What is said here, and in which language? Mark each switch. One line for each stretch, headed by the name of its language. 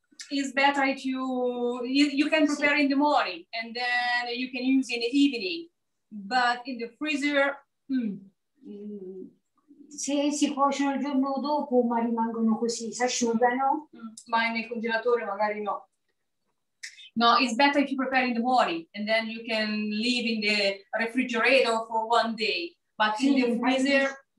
English: It's better if you can prepare in the morning and then you can use in the evening, but in the freezer.
Italian: Se si cuociono il giorno dopo, ma rimangono così, si asciugano. Ma nel congelatore magari no.
English: No, it's better if you prepare in the morning and then you can leave in the refrigerator for one day, but in the freezer.